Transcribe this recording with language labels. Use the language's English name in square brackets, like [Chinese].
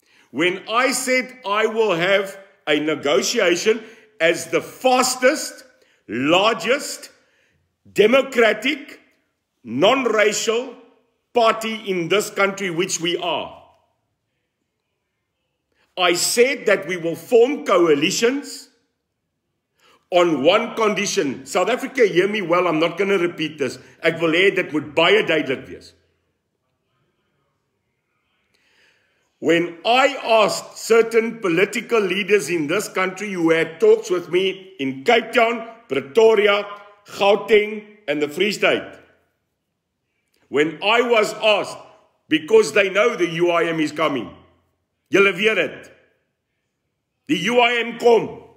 [English] When I said I will have a negotiation as the fastest, largest, democratic, non-racial party in this country, which we are, I said that we will form coalitions on one condition. South Africa, hear me well, I'm not going to repeat this. [Afrikaans] Ek wil hê dit moet baie duidelik wees. [English] When I asked certain political leaders in this country who had talks with me in Cape Town, Pretoria, Gauteng and the Free State, when I was asked, because they know the UIM is coming, [Afrikaans] julle weet dit, [English] the UIM kom.